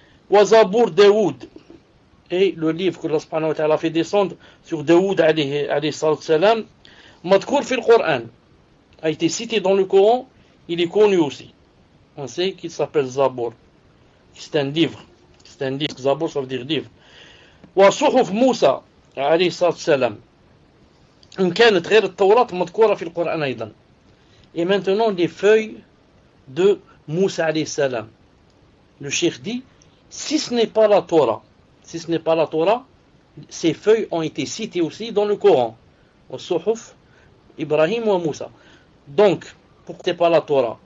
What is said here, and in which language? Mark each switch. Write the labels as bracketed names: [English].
[French] Wazabur Daoud, et le livre que Allah subhanahu wa ta'ala fait descendre sur Daoud alayhi salam, [Arabic] Madkour fil Coran, [French] a été cité dans le Coran, il est connu aussi. On sait qu'il s'appelle Zabur, c'est un livre, Zabur ça veut dire livre. [Arabic] Wazuhuf Moussa alayhi salam, إن كانت غير التوراة مذكورة في القرآن أيضا. [French] Et maintenant les feuilles de Moussa عليه السلام. Le Cheikh dit, si ce n'est pas la Torah, si ce n'est pas la Torah, ces feuilles ont été citées aussi dans le Coran. Au Suhuf, Ibrahim ou Moussa. Donc, pourquoi c'est pas la Torah?